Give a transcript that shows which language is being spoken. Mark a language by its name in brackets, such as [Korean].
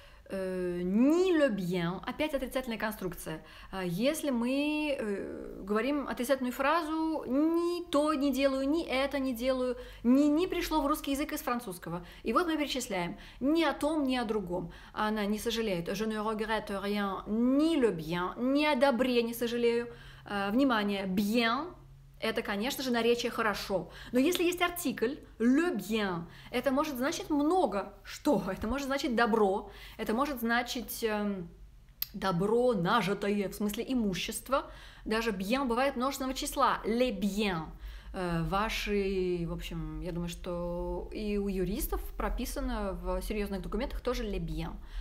[French] Ni le bien, [Russian] опять отрицательная конструкция. Если мы говорим отрицательную фразу, ни то не делаю, ни это не делаю, ни не пришло в русский язык из французского. И вот мы перечисляем, ни о том, ни о другом. Она не сожалеет. [French] Je ne regrette rien, ni le bien, [Russian] ни о добре не сожалею. Внимание, bien. Это, конечно же, наречие «хорошо». Но если есть артикль [French] «le bien», [Russian] это может значить много что. Это может значить «добро», это может значить «добро нажитое», в смысле имущество. Даже «bien» бывает множественного числа [French] «les bien». [Russian] Ваши, в общем, я думаю, что и у юристов прописано в серьезных документах тоже «les bien».